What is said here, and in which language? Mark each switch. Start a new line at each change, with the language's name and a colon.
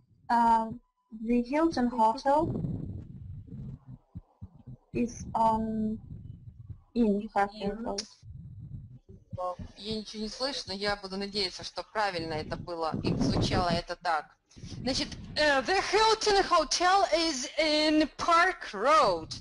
English: The Hilton Hotel is on in Garter Road.
Russian: Я ничего не слышу, но я буду надеяться, что правильно это было и звучало это так. Значит,
English: the Hilton Hotel is in Park Road.